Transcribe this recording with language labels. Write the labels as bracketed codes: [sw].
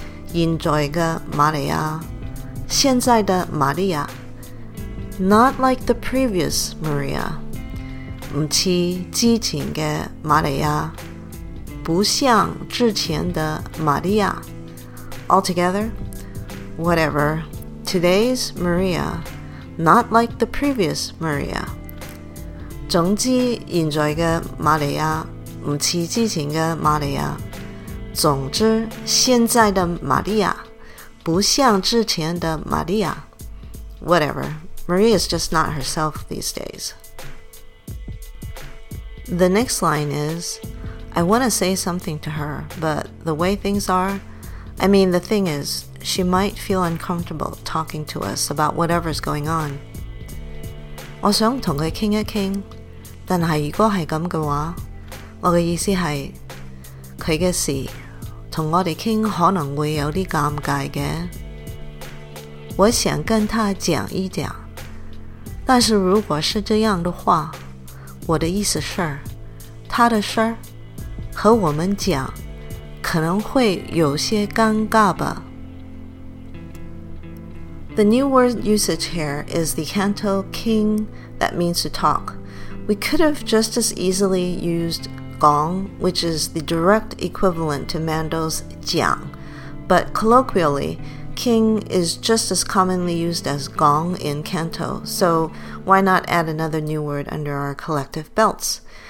[zh] 现在的玛利亚, 现在的玛利亚, [en] not like the previous Maria, [zh] 不像之前的玛利亚, 不像之前的玛利亚. [en] Altogether, whatever, today's Maria, not like the previous Maria. [zh] 总之现在的玛利亚, 不像之前的玛利亚, 总之现在的玛利亚, 不像之前的玛利亚. [en] Whatever, Maria is just not herself these days. The next line is, I want to say something to her, but the way things are, I mean the thing is, she might feel uncomfortable talking to us about whatever's going on. [zh] 我想跟她聊一聊, 但是如果是这样的话, 我的意思是, 她的事, 跟我们聊可能会有点尴尬的。我想跟她讲一讲, 但是如果是这样的话, 我的意思是, 她的事, 和我们讲, 可能会有些尴尬吧。 [en] The new word usage here is the canto king that means to talk. We could have just as easily used gong, which is the direct equivalent to Mando's jiang, but colloquially, King is just as commonly used as gong in Kanto, so why not add another new word under our collective belts?